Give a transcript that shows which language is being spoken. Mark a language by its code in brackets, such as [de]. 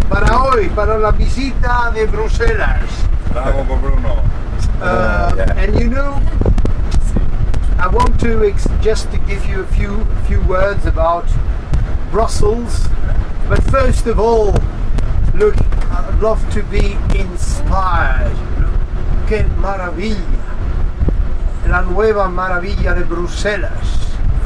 [es] Para hoy, para la visita de Bruselas. Bravo, Bruno. [en] And you know, I want to just to give you a few words about Brussels. But first of all, look, I'd love to be inspired. [es] Qué maravilla. La nueva maravilla de Bruselas.